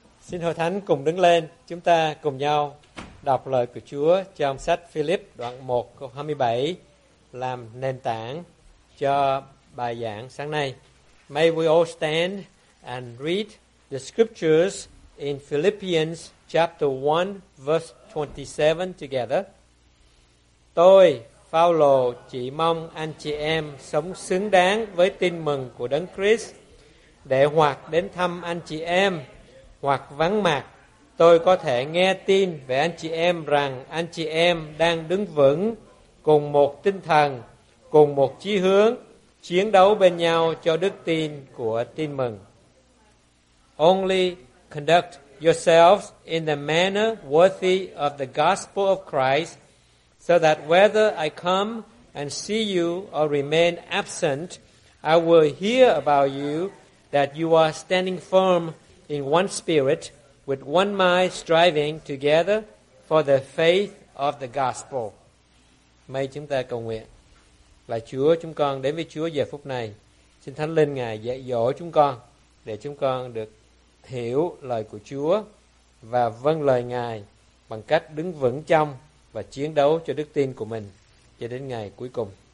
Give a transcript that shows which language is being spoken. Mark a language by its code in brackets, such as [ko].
[vi] Xin Hội Thánh cùng đứng lên, chúng ta cùng nhau đọc lời của Chúa trong sách Philip đoạn 1 câu 27 làm nền tảng cho bài giảng sáng nay. [en] May we all stand and read the scriptures in Philippians chapter 1 verse 27 together. [vi] Tôi, Phao-lô, chỉ mong anh chị em sống xứng đáng với tin mừng của Đấng Christ để hoặc đến thăm anh chị em hoặc vắng mặt, tôi có thể nghe tin về anh chị em rằng anh chị em đang đứng vững cùng một tinh thần, cùng một chí hướng, chiến đấu bên nhau cho đức tin của tin mừng. [en] Only conduct yourselves in the manner worthy of the gospel of Christ, so that whether I come and see you or remain absent, I will hear about you that you are standing firm in one spirit, with one mind striving together for the faith of the gospel. May [vi] chúng ta cầu nguyện. Lạy Chúa, chúng con đến với Chúa giờ phút này. Xin Thánh Linh Ngài dạy dỗ chúng con, để chúng con được hiểu lời của Chúa và vâng lời Ngài bằng cách đứng vững trong và chiến đấu cho đức tin của mình cho đến ngày cuối cùng.